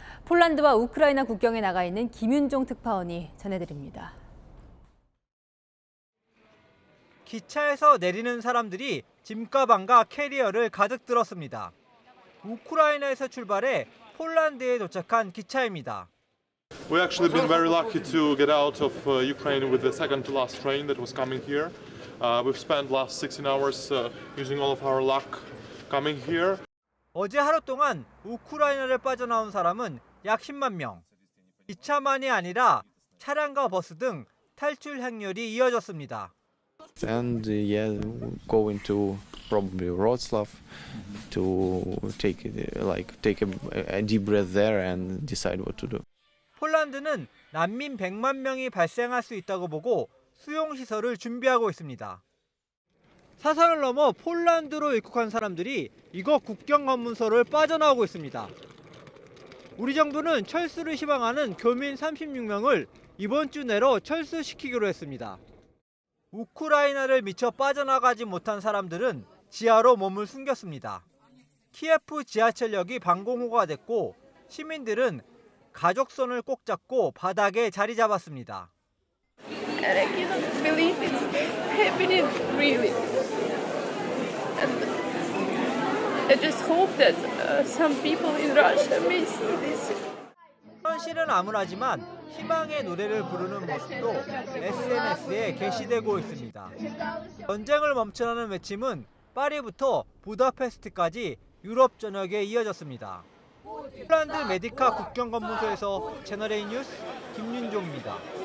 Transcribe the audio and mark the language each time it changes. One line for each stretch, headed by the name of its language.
Korean: 폴란드와 우크라이나 국경에 나가 있는 김윤종 특파원이 전해드립니다. 기차에서 내리는 사람들이 짐가방과 캐리어를 가득 들었습니다. 우크라이나에서 출발해 폴란드에 도착한 기차입니다.
English: We actually been very lucky to get out of Ukraine with the second to last train that was coming here. We've spent last 16 hours using all of our luck coming here.
Korean: 어제 하루 동안 우크라이나를 빠져나온 사람은 약 10만 명. 기차만이 아니라 차량과 버스 등 탈출 행렬이 이어졌습니다.
English: And yeah, going to probably Wroclaw to take a deep breath there and decide what to do.
Korean: 폴란드는 난민 100만 명이 발생할 수 있다고 보고 수용시설을 준비하고 있습니다. 사설을 넘어 폴란드로 입국한 사람들이 이곳 국경검문소를 빠져나오고 있습니다. 우리 정부는 철수를 희망하는 교민 36명을 이번 주 내로 철수시키기로 했습니다. 우크라이나를 미처 빠져나가지 못한 사람들은 지하로 몸을 숨겼습니다. 키예프 지하철역이 방공호가 됐고 시민들은 가족 손을 꼭 잡고 바닥에 자리 잡았습니다.
English: I can't believe it's happening really. And I just hope that some people in Russia miss this.
Korean: 사실은 암울하지만 희망의 노래를 부르는 모습도 SNS에 게시되고 있습니다. 전쟁을 멈추라는 외침은 파리부터 부다페스트까지 유럽 전역에 이어졌습니다. 폴란드 메디카 국경 검문소에서 채널A 뉴스 김윤종입니다.